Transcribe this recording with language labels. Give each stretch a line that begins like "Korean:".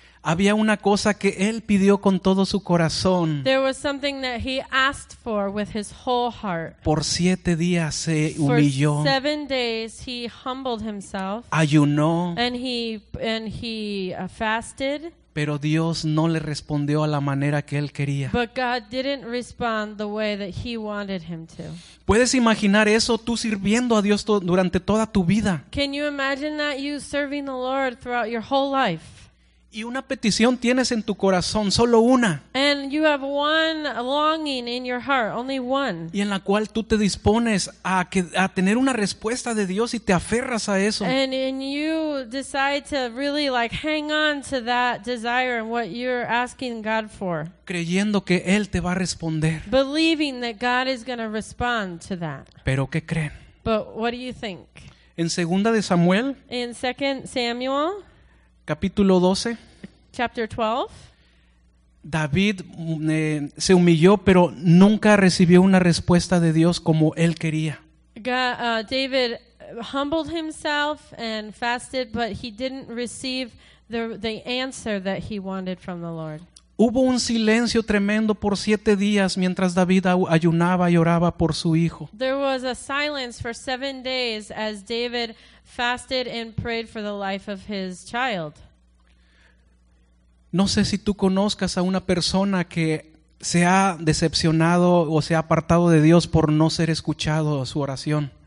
Spanish: Había una cosa que él pidió con todo su corazón.
English: There was something that he asked for with his whole heart.
Spanish: Por 7 días se humilló.
English: For 7 days he humbled himself.
Spanish: Ayunó.
English: And he fasted.
Spanish: Pero Dios no le respondió a la manera que él quería.
English: But God didn't respond the way that he wanted him to.
Spanish: ¿Puedes imaginar eso tú sirviendo a Dios durante toda tu vida?
English: Can you imagine that you serving the Lord throughout your whole life?
Spanish: Y una petición tienes en tu corazón, solo una.
English: And you have one longing in your heart, only one.
Spanish: Y en la cual tú te dispones a tener una respuesta de Dios y te aferras a eso.
English: And you decide to really like hang on to that desire and what you're asking God for.
Spanish: Creyendo que Él te va a responder.
English: Believing that God is going to respond to that.
Spanish: ¿Pero qué creen?
English: But what do you think?
Spanish: En segunda de Samuel.
English: In 2 Samuel.
Spanish: Capítulo 12.
English: Chapter 12.
Spanish: David se humilló, pero nunca recibió una respuesta de Dios como él quería.
English: David humbled himself and fasted, but he didn't receive the answer that he wanted from the Lord.
Spanish: Hubo un silencio tremendo por 7 días mientras David ayunaba y oraba por su hijo.
English: There was a silence for 7 days as David fasted and prayed for the life of his child.
Spanish: No sé si tú conozcas a una persona que se ha decepcionado o se ha apartado de Dios por no ser escuchado a su oración.